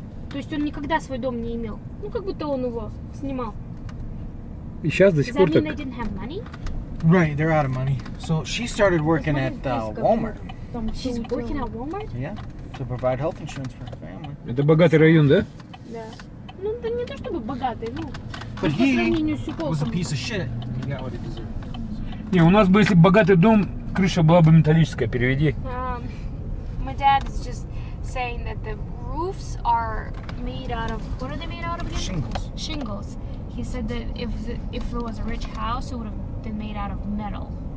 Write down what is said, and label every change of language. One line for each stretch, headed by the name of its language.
Russian: То есть он никогда свой дом не имел. Ну, как будто он его снимал. И сейчас до сих пор так.
English: Right, they're out of money. So she started working at Walmart. She's working at Walmart? Yeah, to provide health insurance for her family.
Russian: Это богатый район, да? Да. Ну, это не то, чтобы богатый, ну...
English: But he was a piece of shit. He got what he deserved.
Russian: Не, у нас бы, если богатый дом... Крыша была бы металлическая, переведи.
English: My dad is just saying that the roofs are made out of, what are they made out of again? Shingles. Shingles. He said that if it was a rich house, it would have been made out of metal.